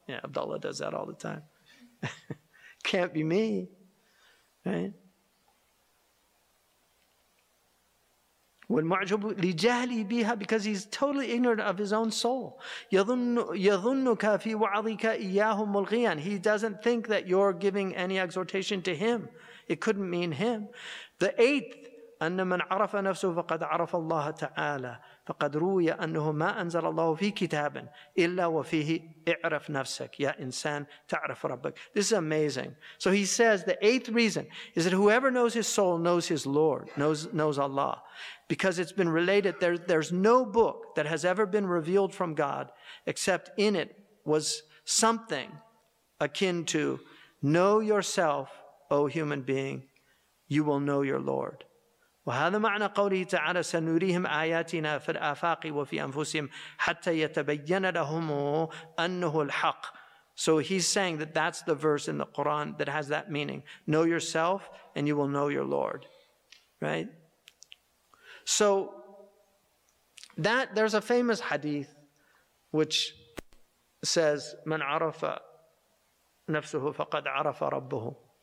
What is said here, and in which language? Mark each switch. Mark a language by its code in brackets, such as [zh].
[en] Yeah, Abdullah does that all the time. Can't be me. Right? [ar] وَالْمَعْجُبُ لِجَهْلِهِ بِهَا, [en] because he's totally ignorant of his own soul. [ar] يَظُنُّكَ فِي وَعَضِكَ إِيَّاهُ مُلْغِيًا, [en] he doesn't think that you're giving any exhortation to him. It couldn't mean him. The eighth, [ar] أَنَّ مَنْ عَرَفَ نَفْسُهُ فَقَدْ عَرَفَ اللَّهَ تَعَالَى فَقَدْ رُوِيَ أَنُّهُ مَا أَنزَلَ اللَّهُ فِي كِتَابٍ إِلَّا وَفِيهِ اِعْرَفْ نَفْسَكَ يَا إِنسَان تَعْرَفْ رَبَّكَ. [en] This is amazing. So he says the eighth reason is that whoever knows his soul knows his Lord, knows Allah. Because it's been related, there's no book that has ever been revealed from God except in it was something akin to, know yourself, O human being, you will know your Lord. [ar] وهذا معنى قوله تعالى سنريهم آياتنا في الآفاق وفي أنفسهم حتى يتبين لهم أنه الحق. [en] So he's saying that that's the verse in the Quran that has that meaning. Know yourself and you will know your Lord. Right? So that there's a famous hadith which says [ar] من عرف نفسه فقد عرف ربه.